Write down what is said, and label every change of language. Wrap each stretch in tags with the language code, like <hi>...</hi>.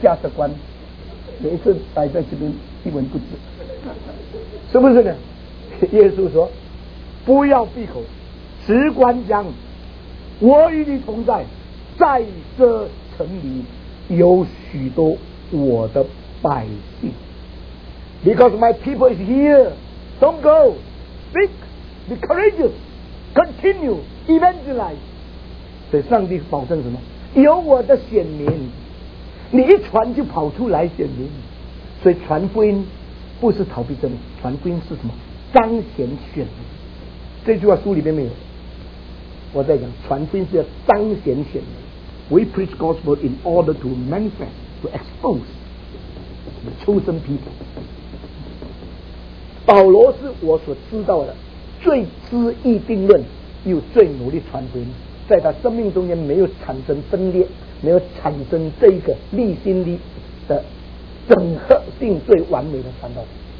<zh>价值观，每次摆在这边一文不值，是不是呢？耶稣说不要闭口，只管讲，我与你同在，在这城里有许多我的百姓。</zh> <en>Because my people is here, don't go, speak, be courageous, continue, evangelize。</en> <zh>所以上帝保证什么？有我的选民，你一传就跑出来选民。所以传福音不是逃避真理，传福音是什么？彰显选民。这句话书里面没有，我在讲传福音是要彰显选民。</zh> <en>We preach gospel in order to manifest, to expose the chosen people。</en> <zh>保罗是我所知道的最知义定论又最努力传福音，在他生命中间没有产生分裂，没有产生这一个立心力的整合性最完美的传道人。</zh>